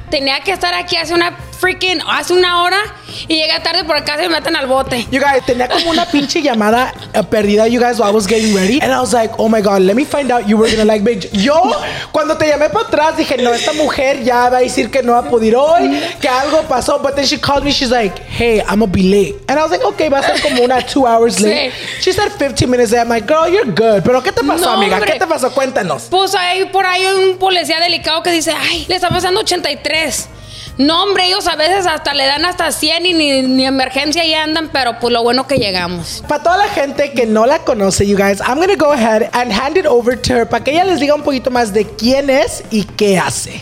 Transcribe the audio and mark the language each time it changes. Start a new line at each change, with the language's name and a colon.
Spanish: Tenía que estar aquí hace una
English: freaking,
Spanish: hace una hora, y llega tarde por acá, se meten al bote.
English: You guys,
Spanish: tenía como una pinche llamada perdida,
English: you guys, while I was getting ready. And I was like, oh my God, let me find out you were gonna like, bitch.
Spanish: Yo, cuando te llamé para atrás, dije, no, esta mujer ya va a decir que no va a poder hoy, que algo pasó.
English: But then she called me, she's like, hey, I'm gonna be late. And I was like, okay,
Spanish: va a ser como una
English: 2 hours late. Sí. She said 15 minutes late. I'm like, girl, you're good.
Spanish: Pero ¿qué te pasó, no, amiga? Hombre. ¿Qué te pasó? Cuéntanos. Pues ahí, por ahí hay un policía delicado que dice, ay, le está pasando 83. No, hombre, ellos a veces hasta le dan hasta 100 y ni emergencia y andan, pero pues lo bueno que llegamos. Para toda la gente que no la conoce,
English: you guys, I'm gonna go ahead and hand it over to her
Spanish: para que ella les diga un poquito más de quién es y qué hace.